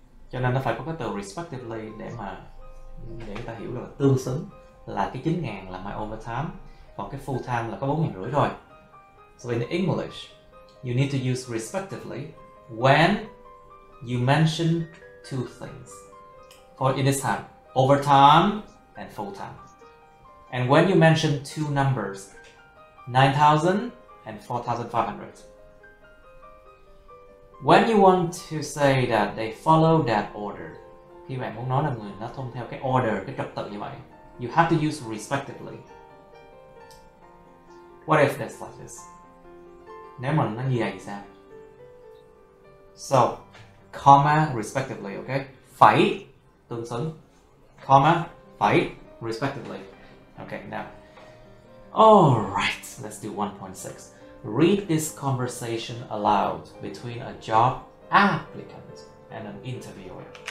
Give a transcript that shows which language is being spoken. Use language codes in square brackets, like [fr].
[vi] Cho nên nó phải có cái từ respectively để mà để người ta hiểu được là tương xứng là cái 9.000 là my overtime, còn cái full time là có 4.500 rồi. [en] So in English, you need to use respectively when you mention two things. For in this time, overtime and full time. And when you mention two numbers, 9,000 and 4,500. When you want to say that they follow that order, [vi] khi bạn muốn nói là người nó tuân theo cái order, cái trật tự như vậy, [en] you have to use respectively. What if that's like this? [vi] Nếu mà nó như vậy thì sao? [en] So, comma respectively, okay? [vi] Phải tương xứng, comma phải respectively. [en] Okay, now. Alright, let's do 1.6. Read this conversation aloud between a job applicant and an interviewer.